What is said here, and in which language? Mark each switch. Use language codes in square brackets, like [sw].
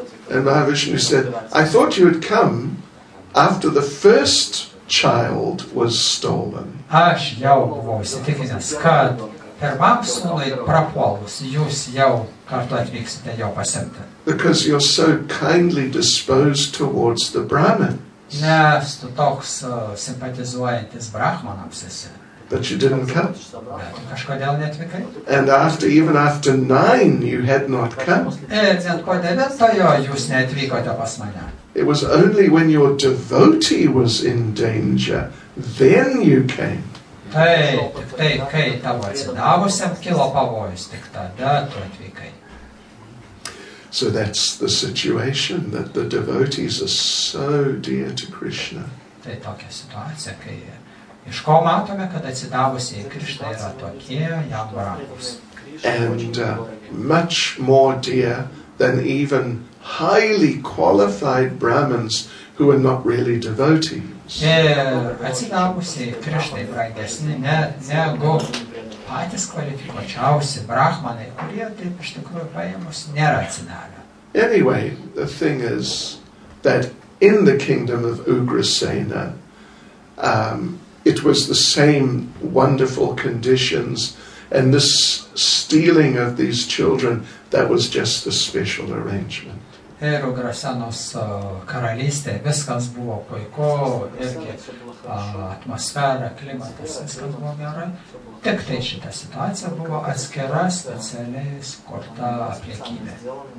[en] And Mahavishnu said, I thought you would come after the first child was stolen. [lt] Aš jau buvau įsitikinęs, kad pirmam sūnui prapuolus, jūs jau kartu atvyksite jo pasimti. [en] Because you're so kindly disposed towards the Brahmins. [lt] Nes tu toks simpatizuojantis Brahmanams esi. [en] But you didn't come. [lt] Bet tu kažkodėl neatvykai. [en] And after, even after nine, you had not come. [lt] Ir net po devintojo jūs neatvykote pas mane. [en] It was only when your devotee was in danger, then you came. [lt] Tai tik tai, kai tavo atsidavusiam kilo pavojus, tik tada tu atvykai. [en] So that's the situation, that the devotees are so dear to Krishna. [lt] Tai tokia situacija, kai iš ko matome, kad atsidavusiai Krishna yra tokie jam brangus. [en] And much more dear than even highly qualified Brahmins who are not really devotees. [lt] Ir atsidavusiai Krishnai brangesni negu patys kvalifikuočiausi brahmanai, kurie taip iš tikrųjų paėmus nėra atsidavę. [en] Anyway, the thing is that in the kingdom of Ugrasena, it was the same wonderful conditions, and this stealing of these children, that was just the special arrangement. [lt] Ir Ugrasenos karalystė, viskas buvo puiku, irgi atmosfera, klimatas, viskas buvo gerai. Tik tai šita situacija buvo atskira, specialiai skurta aplinkybė.